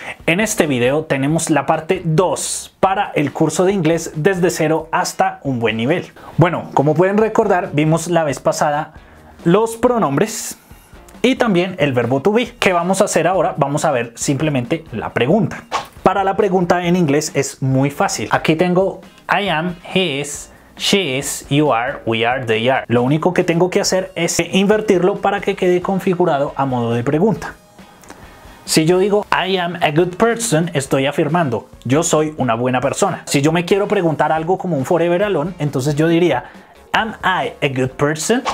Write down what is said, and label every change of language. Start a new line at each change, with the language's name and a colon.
Spanish: En este video tenemos la parte 2 para el curso de inglés desde cero hasta un buen nivel. Bueno, como pueden recordar, vimos la vez pasada los pronombres y también el verbo to be. ¿Qué vamos a hacer ahora? Vamos a ver simplemente la pregunta. Para la pregunta en inglés es muy fácil. Aquí tengo
English: I am, he is, she is, you are, we are, they are.
Spanish: Lo único que tengo que hacer es invertirlo para que quede configurado a modo de pregunta. Si yo digo
English: I am a good person,
Spanish: estoy afirmando yo soy una buena persona. Si yo me quiero preguntar algo como un forever alone, entonces yo diría
English: am I a good person?